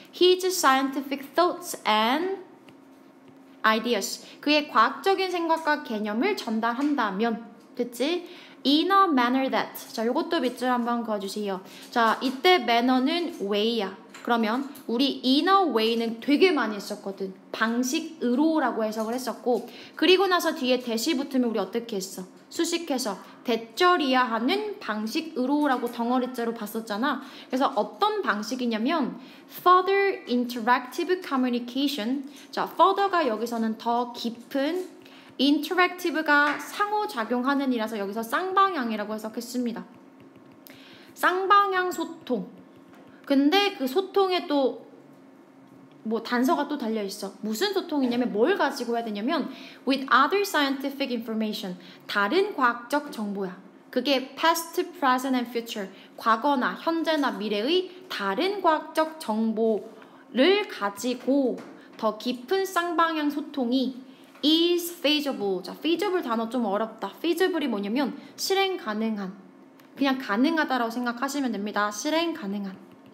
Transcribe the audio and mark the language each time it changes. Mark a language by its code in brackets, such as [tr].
[en] His scientific thoughts and ideas. [ko] 그의 과학적인 생각과 개념을 전달한다면. 됐지? [en] In a manner that. [ko] 자, 요것도 밑줄 한번 그어주세요. 자, 이때 manner는 way야. 그러면 우리 [en] in a way [ko] 는 되게 많이 했었거든. 방식으로 라고 해석을 했었고 그리고 나서 뒤에 대시 붙으면 우리 어떻게 했어? 수식해서 대절이야 하는 방식으로 라고 덩어리째로 봤었잖아. 그래서 어떤 방식이냐면 [en] further interactive communication. [ko] 자, further가 여기서는 더 깊은 interactive가 상호작용하는 이라서 여기서 쌍방향이라고 해석했습니다. 쌍방향 소통. 근데 그 소통에 또 뭐 단서가 또 달려있어. 무슨 소통이냐면 뭘 가지고 해야 되냐면 [en] with other scientific information. [ko] 다른 과학적 정보야. [en] 그게 past, present and future. [ko] 과거나 현재나 미래의 다른 과학적 정보를 가지고 더 깊은 쌍방향 소통이 [en] is feasible. [ko] 자, feasible 단어 좀 어렵다. feasible이 뭐냐면 실행 가능한. 그냥 가능하다라고 생각하시면 됩니다. 실행 가능한.